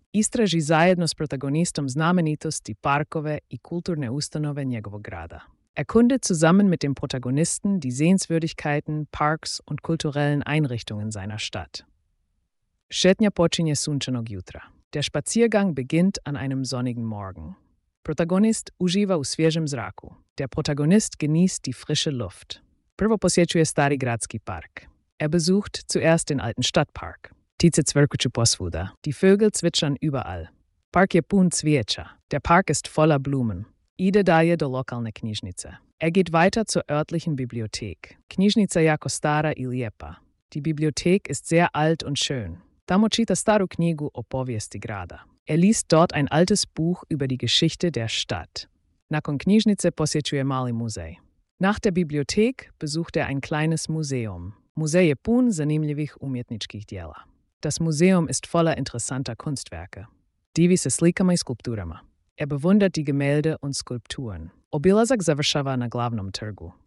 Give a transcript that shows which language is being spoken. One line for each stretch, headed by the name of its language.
Croatian: Istraži zajedno s protagonistom znamenitosti, parkove i kulturne ustanove njegovog grada.
German: Erkunde zusammen mit dem Protagonisten die Sehenswürdigkeiten, Parks und kulturellen Einrichtungen seiner Stadt.
Croatian: Šetnja počinje sunčanog jutra.
German: Der Spaziergang beginnt an einem sonnigen Morgen.
Croatian: Protagonist uživa u svježem zraku.
German: Der Protagonist genießt die frische Luft.
Croatian: Prvo posjećuje Stari Gradski park.
German: Er besucht zuerst den alten Stadtpark.
Croatian: Ptice cvrkuću posvuda.
German: Die Vögel zwitschern überall.
Croatian: Park je pun cvijeća.
German: Der Park ist voller Blumen.
Croatian: Ide dalje do lokalne knjižnice.
German: Er geht weiter zur örtlichen Bibliothek.
Croatian: Knjižnica jako stara i lijepa.
German: Die Bibliothek ist sehr alt und schön.
Croatian: Tamo čita staru knjigu o povijesti grada.
German: Er liest dort ein altes Buch über die Geschichte der Stadt.
Croatian: Nakon knjižnice posjećuje mali muzej.
German: Nach der Bibliothek besucht er ein kleines Museum.
Croatian: Muzej je pun zanimljivih umjetničkih djela.
German: Das Museum ist voller interessanter Kunstwerke.
Croatian: Divi se slikama i skulpturama.
German: Er bewundert die Gemälde und Skulpturen.
Croatian: Obilazak završava na glavnom trgu.